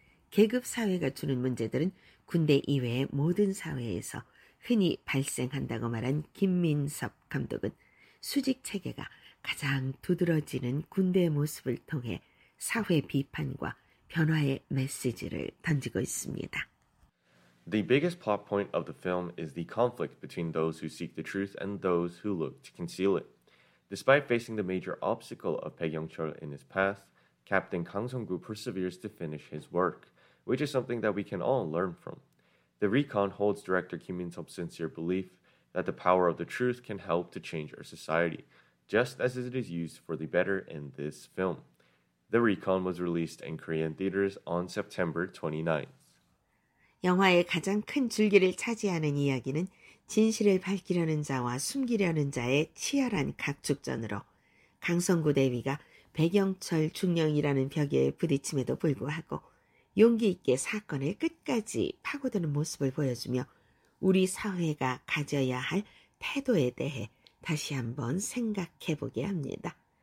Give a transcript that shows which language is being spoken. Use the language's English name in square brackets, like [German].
[Korean] 계급 사회가 주는 문제들은 군대 이외의 모든 사회에서 흔히 발생한다고 말한 김민섭 감독은 수직 체계가 가장 두드러지는 군대의 모습을 통해 사회 비판과 변화의 메시지를 던지고 있습니다. [English] The biggest plot point of the film is the conflict between those who seek the truth and those who look to conceal it. Despite facing the major obstacle of Park Yong-chul in his past, Captain Kang Sung-gu perseveres to finish his work, which is something that we can all learn from. The Recon holds director Kim Min-seop's sincere belief that the power of the truth can help to change our society, just as it is used for the better in this film. The Recon was released in Korean theaters on September 29th. [Korean] 영화의 가장 큰 줄기를 차지하는 이야기는 진실을 밝히려는 자와 숨기려는 자의 치열한 각축전으로 강성구 대위가 백영철 중령이라는 벽에 부딪힘에도 불구하고 용기 있게 사건을 끝까지 파고드는 모습을 보여주며 우리 사회가 가져야 할 태도에 대해 다시 한번 생각해보게 합니다.